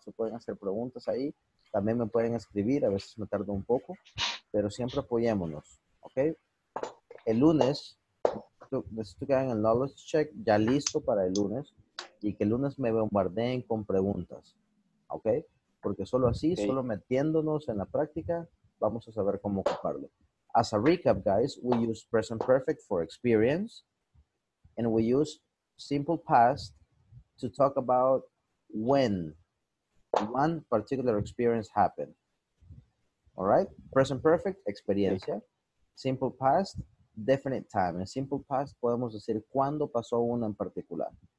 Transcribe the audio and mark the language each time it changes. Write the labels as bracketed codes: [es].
[es] Se pueden hacer preguntas ahí. También me pueden escribir, a veces me tardo un poco, pero siempre apoyémonos. Okay. El lunes, necesito que hagan el knowledge check ya listo para el lunes y que el lunes me bombardeen con preguntas. Okay. Porque solo así, okay, solo metiéndonos en la práctica, vamos a saber cómo ocuparlo. [en] As a recap, guys, we use present perfect for experience and we use simple past to talk about when one particular experience happened. All right? Present perfect, experiencia. Okay. Simple past, definite time. [es] En simple past podemos decir cuándo pasó una en particular.